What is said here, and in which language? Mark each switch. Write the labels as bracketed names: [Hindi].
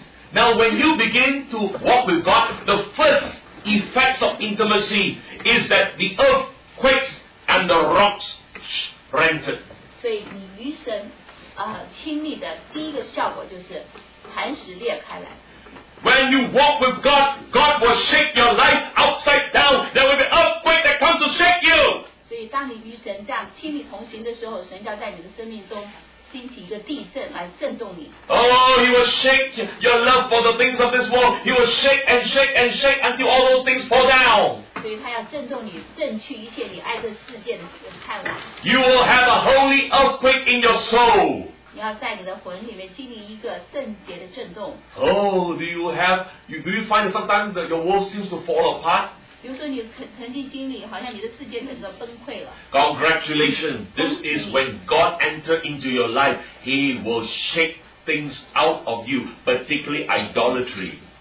[English] Now when you begin to walk with God, the first effects of intimacy is that the earth quakes and the rocks rented. [Chinese] 所以你与神亲密的第一个效果就是磐石裂开来。 [English] When you walk with God, God will shake your life upside down. There will be earthquake that comes to shake you. [Chinese] 所以当你与神这样亲密同行的时候，神要在你的生命中兴起一个地震来震动你。 [English] Oh, He will shake your love for the things of this world. He will shake and shake and shake until all those things fall down. [Chinese] 所以他要震动你，震去一切你爱这世界的盼望。 [English] You will have a holy earthquake in your soul. Oh, do you find that sometimes that your world seems to fall apart? Congratulations, this is when God enters into your life, He will shake things out of you, particularly idolatry.